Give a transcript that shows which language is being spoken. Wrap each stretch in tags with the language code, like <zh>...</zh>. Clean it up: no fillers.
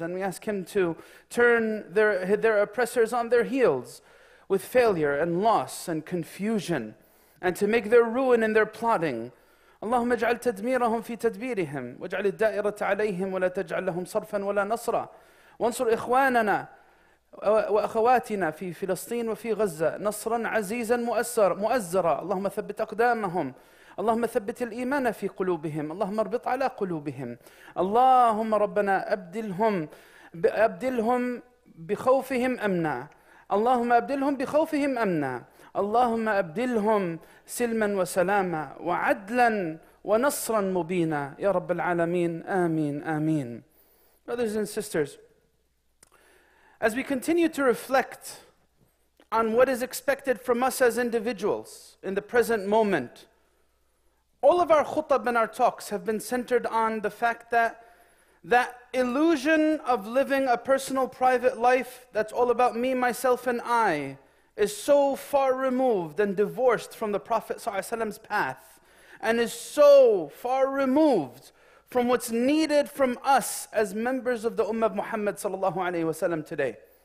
<en>And we ask him to turn their oppressors on their heels with failure and loss and confusion, and to make their ruin in their plotting.</en> <ar>Allahumma ij'al tadmirahum fi tadbirihim waj'al ad-da'irata 'alayhim wa la taj'al lahum sarfan wa la nasra wansur ikhwanana وأخواتنا في فلسطين وفي غزة نصرا عزيزا مؤزرا. اللهم ثبت أقدامهم, اللهم ثبت الإيمان في قلوبهم, اللهم اربط على قلوبهم, اللهم ربنا أبدلهم بخوفهم أمنا, اللهم أبدلهم بخوفهم أمنا, اللهم أبدلهم سلما وسلاما وعدلا ونصرا مبينا يا رب العالمين. آمين آمين.</ar> <en>Brothers and sisters, as we continue to reflect on what is expected from us as individuals in the present moment, all of our khutab and our talks have been centered on the fact that that illusion of living a personal private life that's all about me, myself, and I is so far removed and divorced from the Prophet ﷺ's path, and is so far removed from what's needed from us as members of the Ummah of Muhammad sallallahu alayhi wa sallam today.</en>